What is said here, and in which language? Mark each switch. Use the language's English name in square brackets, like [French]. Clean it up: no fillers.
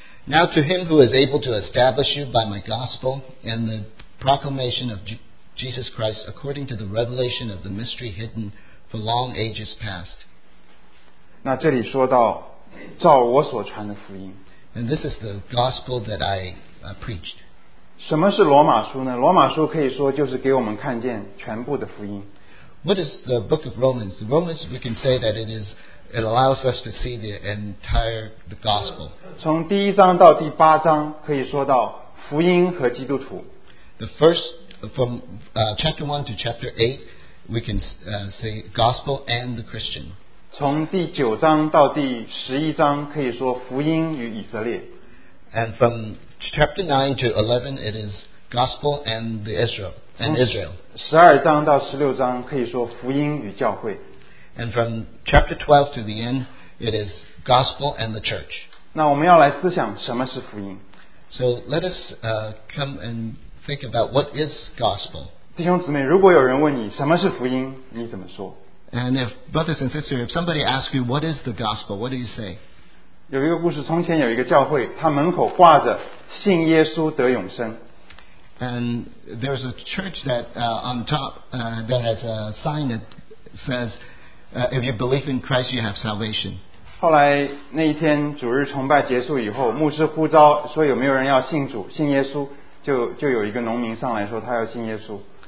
[English] Now to him who is able to establish you by my gospel and the proclamation of Jesus Christ according to the revelation of the mystery hidden for long ages past. [Chinese] 那这里说到照我所传的福音。 [English] And this is the gospel that I preached. [Chinese] 什么是罗马书呢？罗马书可以说就是给我们看见全部的福音。 [English] What is the book of Romans? The Romans, we can say that it allows us to see the entire the gospel. [Chinese] 从第一章到第八章可以说到福音和基督徒。 [English] The first, from chapter 1 to chapter 8, we can say gospel and the Christian. [Chinese] 从第九章到第十一章可以说福音与以色列。 [English] And from chapter 9 to 11, it is gospel and the Israel. And Israel. [Chinese] 十二章到十六章可以说福音与教会。 [English] And from chapter 12 to the end, it is gospel and the church. [Chinese] 那我们要来思想什么是福音。 [English] So let us come and think about what is gospel. [Chinese] 弟兄姊妹，如果有人问你什么是福音，你怎么说？ [English] And if brothers and sisters, if somebody asks you what is the gospel, what do you say? [Chinese] 有一个故事，从前有一个教会，它门口挂着“信耶稣得永生”。 [English] And there's a church that on top that has a sign that says, "If you believe in Christ, you have salvation." [Chinese] 后来那一天主日崇拜结束以后，牧师呼召说有没有人要信主、信耶稣。就有一个农民上来说他要信耶稣。